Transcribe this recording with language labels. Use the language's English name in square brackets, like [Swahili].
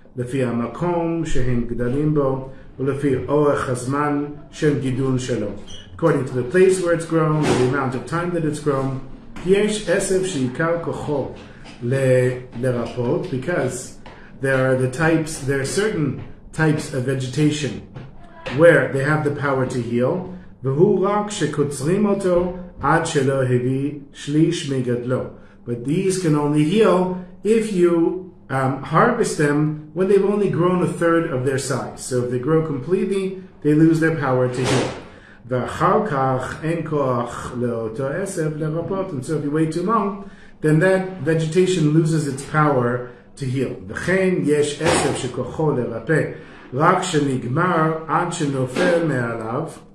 [Hebrew] לפי המקום שהם גדלים בו, ולפי אורך הזמן של גידול שלו. [English] According to the place where it's grown, the amount of time that it's grown, [Hebrew] יש עשב שעיקר כוחו לרפות, [English] because there are the types, there are certain types of vegetation where they have the power to heal, [Hebrew] והוא רק שקוצרים אותו עד שלא הביא שליש מגדלו. [English] But these can only heal if you harvest them when they've only grown a third of their size. So if they grow completely, they lose their power to heal. [Hebrew] ואחר כך אין כוח לאותו עשב לרפות. [English] And so if you wait too long, then that vegetation loses its power to heal. [Hebrew] וכן יש עשב שכוחו לרפא רק שנגמר עד שנופל מעליו.